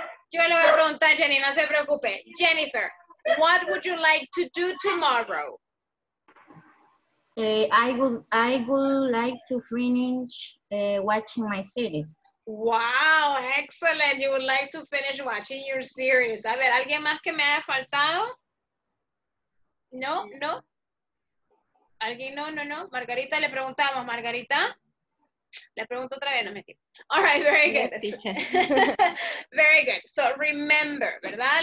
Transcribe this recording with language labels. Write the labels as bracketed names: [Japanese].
[Spanish] Yo le voy a preguntar, Jenny, no se preocupe. [English] Jennifer, what would you like to do tomorrow? I would like to finish watching my series. Wow, excellent. You would like to finish watching your series. [Spanish] A ver, ¿alguien más que me haya faltado? No, no. ¿Alguien? No. Margarita, le preguntamos. Margarita, le pregunto otra vez, no me entiendo. [English] All right, very good. Yes, teacher. Very good. So, remember, [Spanish] ¿verdad?